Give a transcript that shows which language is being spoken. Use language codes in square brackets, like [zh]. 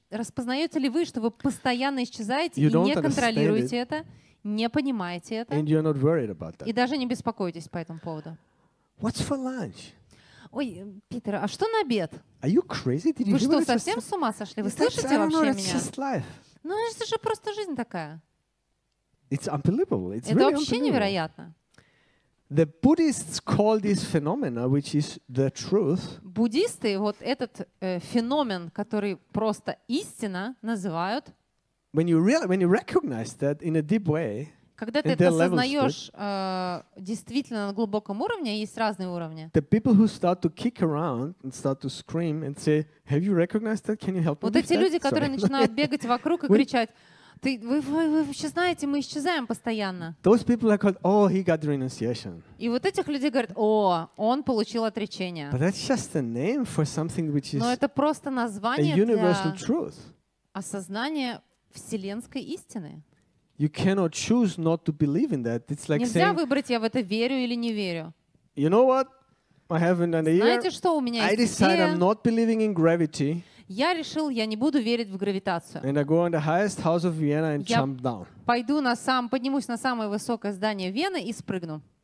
[ru] Вы распознаете ли вы, что вы постоянно исчезаете и не контролируете это, не понимаете это? [en] And you're not worried about that. [ru] И даже не беспокоитесь по этому поводу. [en] What's for lunch? [ru] Ой, Питер, а что на обед? [en] Are you crazy? Did you [ru] вы что, совсем с ума сошли? Вы слышите вообще меня? Ну, это же просто жизнь такая. [en] It's unbelievable. It's [ru] это [en] really [ru] вообще [en] unbelievable. [ru] Невероятно. [en] The Buddhists call this phenomena, which is the truth. [ru] Буддисты вот этот феномен, который просто истина, называют. [en] When you recognize that in a deep way. [ru] Когда ты это осознаешь действительно на глубоком уровне, есть разные уровни. [en] The people who start to kick around and start to scream and say, "Have you recognized that? Can you help me?" [ru] Вот эти люди, которые начинают бегать вокруг и кричать. Вы вообще знаете, мы исчезаем постоянно. [en] Those people are called, oh, he got renunciation. [ru] И вот этих людей говорят, о, он получил отречение. [en] But that's just a name for something which is [ru] но это просто название [en] a universal truth. [ru] Для осознания вселенской истины. [en] You cannot choose not to believe in that. It's like [ru] нельзя [en] saying, [ru] выбрать, я в это верю или не верю. [en] You know what? I have an idea. [ru] Знаете, что у меня [en] I decide I'm not believing in gravity. [ru] Я решил, я не буду верить в гравитацию. [en] And I go on the highest house of Vienna and jump down. [ru] Пойду на сам, поднимусь на самое высокое здание Вены и спрыгну.